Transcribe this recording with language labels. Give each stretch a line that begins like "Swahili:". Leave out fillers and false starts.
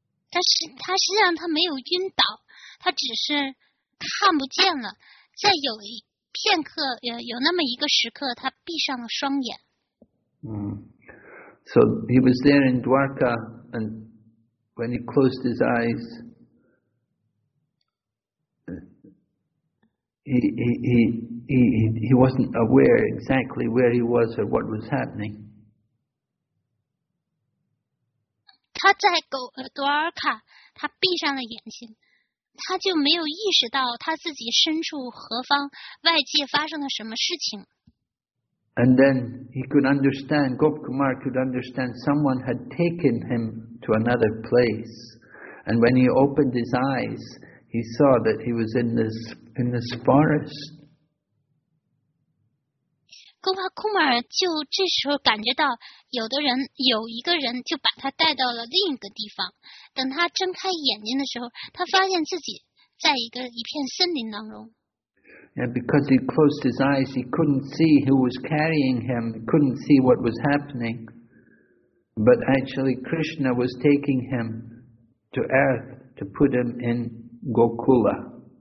Chinese: 他实际上他没有晕倒，他只是看不见了。在有一片刻，有那么一个时刻，他闭上了双眼。
English: So he was there in Dwarka, and when he closed his eyes, he wasn't aware exactly where he was or what was happening.
Chinese: 他在多尔卡，他闭上了眼睛，他就没有意识到他自己身处何方，外界发生了什么事情。
English: And then he could understand, Gop Kumar could understand someone had taken him to another place. And when he opened his eyes, he saw that he was in this forest.
Chinese: Gopa Kumar 就这时候感觉到有一个人就把他带到了另一个地方。等他睁开眼睛的时候，他发现自己在一片森林当中。
English: And because he closed his eyes, he couldn't see who was carrying him, couldn't see what was happening. But actually, Krishna was taking him to earth to put him in Gokula.